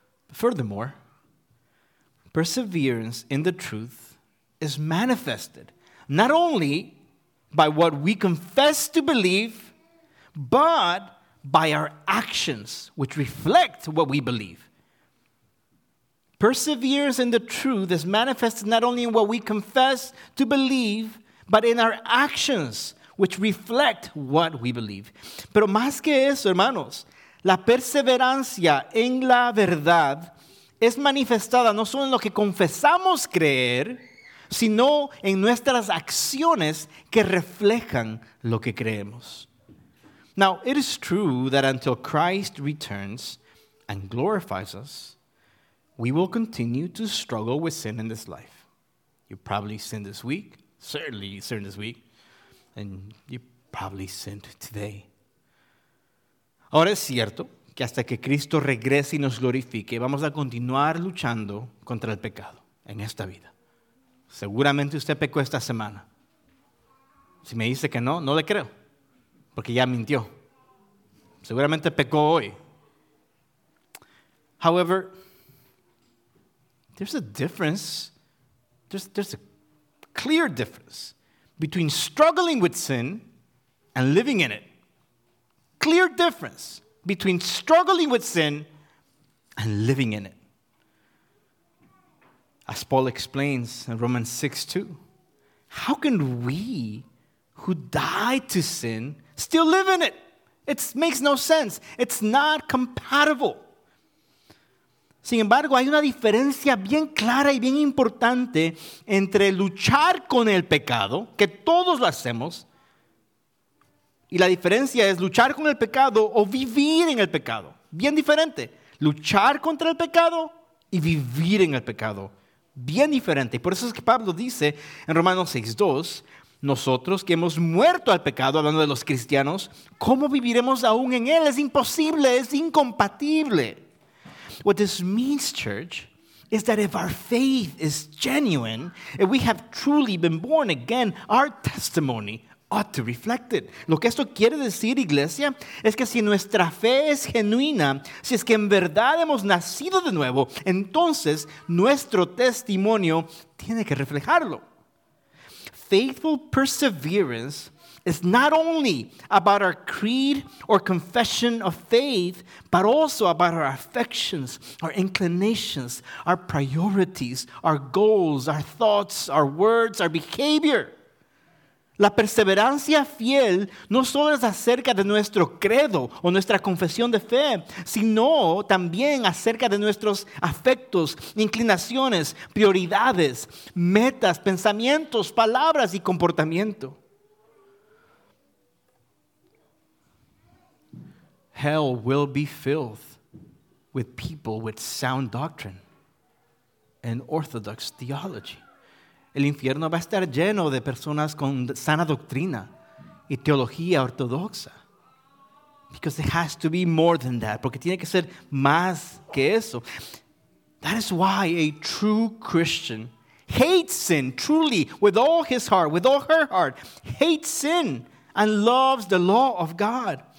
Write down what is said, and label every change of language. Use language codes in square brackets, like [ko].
[en] Furthermore, perseverance in the truth is manifested not only by what we confess to believe, but by our actions, which reflect what we believe. Perseverance in the truth is manifested not only in what we confess to believe, but in our actions, which reflect what we believe. [es] Pero más que eso, hermanos, la perseverancia en la verdad es manifestada no solo en lo que confesamos creer, sino en nuestras acciones que reflejan lo que creemos. [en] Now, it is true that until Christ returns and glorifies us, we will continue to struggle with sin in this life. You probably sinned this week, certainly you sinned this week, and you probably sinned today. [es] Ahora es cierto que hasta que Cristo regrese y nos glorifique, vamos a continuar luchando contra el pecado en esta vida. Seguramente usted pecó esta semana. Si me dice que no, no le creo, porque ya mintió. Seguramente pecó hoy. [en] However, there's a difference, there's a clear difference between struggling with sin and living in it. Clear difference between struggling with sin and living in it. As Paul explains in Romans 6:2, how can we who died to sin still live in it? It makes no sense. It's not compatible. [es] Sin embargo, hay una diferencia bien clara y bien importante entre luchar con el pecado, que todos lo hacemos, y la diferencia es luchar con el pecado o vivir en el pecado. Bien diferente. Luchar contra el pecado y vivir en el pecado. Bien diferente. Y por eso es que Pablo dice en Romanos 6:2, nosotros que hemos muerto al pecado, hablando de los cristianos, ¿cómo viviremos aún en él? Es imposible, es incompatible. [en] What this means, church, is that if our faith is genuine, if we have truly been born again, our testimony ought to reflect it. [es] Lo que esto quiere decir, iglesia, es que si nuestra fe es genuina, si es que en verdad hemos nacido de nuevo, entonces nuestro testimonio tiene que reflejarlo. [en] Faithful perseverance is not only about our creed or confession of faith, but also about our affections, our inclinations, our priorities, our goals, our thoughts, our words, our behavior. [es] La perseverancia fiel no solo es acerca de nuestro credo o nuestra confesión de fe, sino también acerca de nuestros afectos, inclinaciones, prioridades, metas, pensamientos, palabras y comportamiento. [en] Hell will be filled with people with sound doctrine and orthodox theology. [es] El infierno va a estar lleno de personas con sana doctrina y teología ortodoxa. [en] Because it has to be more than that. [es] Porque tiene que ser más que eso. [en] That is why a true Christian hates sin truly with all his heart, with all her heart. Hates sin and loves the law of God.